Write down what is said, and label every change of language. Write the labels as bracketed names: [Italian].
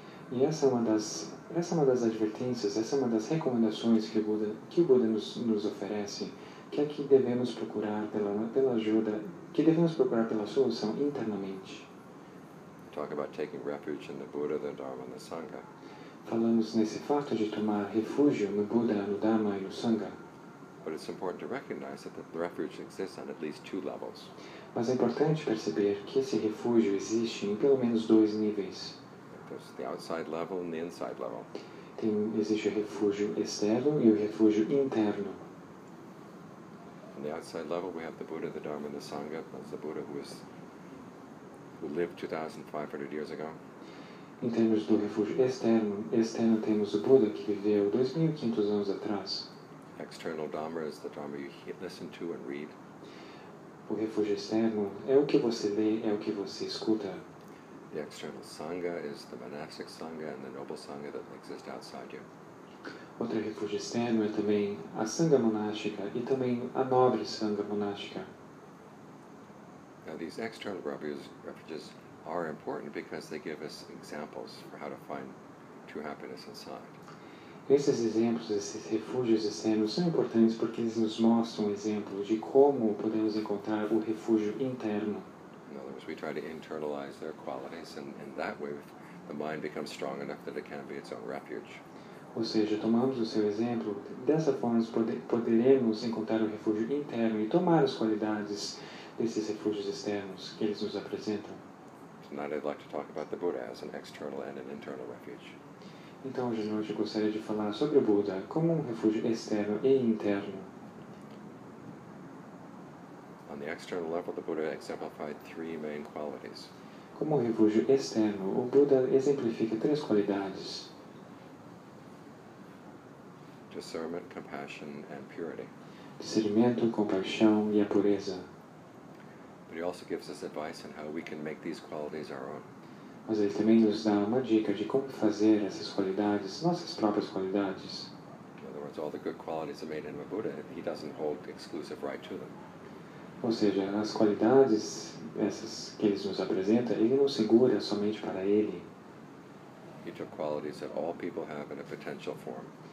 [Portuguese] E essa é uma das advertências, essa é uma das recomendações que o Buda nos oferece, que é que devemos procurar pela ajuda, que devemos procurar pela solução internamente. [English] We talk about taking refuge in the Buddha, the Dharma, and the Sangha. [Portuguese] Falamos nesse fato de tomar refúgio no Buda, no Dharma e no Sangha. [English] But it's important to recognize that the refuge exists on at least two levels. [Portuguese] Mas é importante perceber que esse refúgio existe em pelo menos dois níveis. [English] There's the outside level and the inside level. [Portuguese] Existe o refúgio externo e o refúgio interno. [English] On the outside level, we have the Buddha, the Dharma, and the Sangha. That's the Buddha who lived 2,500 years ago. [Portuguese] Em termos do refúgio externo temos o Buda, que viveu 2,500 anos atrás. [English] External Dharma is the Dharma you listen to and read. [Portuguese] O refúgio externo é o que você lê, é o que você escuta. [English] The external Sangha is the monastic Sangha and the noble Sangha that exist outside you. [Portuguese] Outro refúgio externo é também a Sangha monástica e também a nobre Sangha monástica. [English] Now these external refuges are important because they give us examples for how to find true happiness inside. [Portuguese] Esses exemplos, esses refúgios externos são importantes porque eles nos mostram um exemplo de como podemos encontrar o refúgio interno. [English] In other words, we try to internalize their qualities, and in that way the mind becomes strong enough that it can be its own refuge. [Portuguese] Ou seja, tomamos o seu exemplo, dessa forma poderemos encontrar o refúgio interno e tomar as qualidades desses refúgios externos que eles nos apresentam. [English] Tonight I'd like to talk about the Buddha as an external and an internal refuge. [Portuguese] Então, hoje à noite, eu gostaria de falar sobre o Buda como um refúgio externo e interno. [English] On the external level, the Buddha exemplified three main qualities. [Portuguese] Como um refúgio externo, o Buda exemplifica três qualidades. [English] Discernment, compassion, and purity. [Portuguese] Discernimento, compaixão e a pureza. [English] But he also gives us advice on how we can make these qualities our own. [Portuguese] Mas ele também nos dá uma dica de como fazer essas qualidades, nossas próprias qualidades. [English] In other words, all the good qualities that made him a Buddha, he doesn't hold exclusive right to them. [Portuguese] Ou seja, as qualidades essas que ele nos apresenta, ele não segura somente para ele. [English] He took qualities that all people have in a potential form.